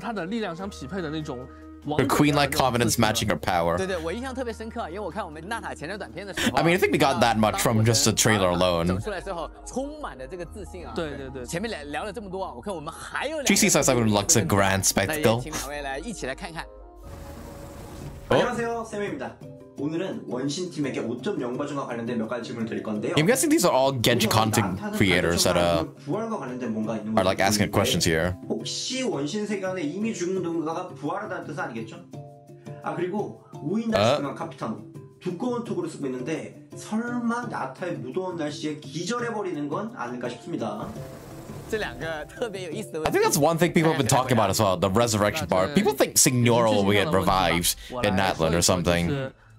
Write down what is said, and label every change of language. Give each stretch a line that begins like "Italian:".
Chinese: 那至于他的性格，我觉得大家很快就能够体会到他所拥有的那种和他的力量相匹配的那种。
English: Her queen-like confidence matching her power.
Chinese: 对对，我印象特别深刻，因为我看我们娜塔前传短片的时候。
English: I mean, I think we got that much from just the trailer alone.
Chinese: 走出来之后，充满了这个自信啊。对对对。前面聊了这么多啊，我看我们还有。
English: GC says I would like a grand spectacle.
Chinese: 那也请两位来一起来看看。
Korean: 안녕하세요, 쌤입니다. 오늘은 원신 팀에게 5.0 버전과 관련된 몇 가지 질문을 드릴 건데요.
English: I'm guessing these are all Genshin content creators that are like asking questions here.
Korean: 혹시 원신 세계관에 이미 죽은 누군가가 부활하다는 뜻 아니겠죠? 아 그리고 우인 날씨만 카피타노 두꺼운 톡으로 쓰고 있는데 설마 나타의 무더운 날씨에 기절해 버리는 건 아닐까 싶습니다.
English: I think that's one thing people have been talking about as well. The resurrection part. People think Signora will get revived in Natlan or something.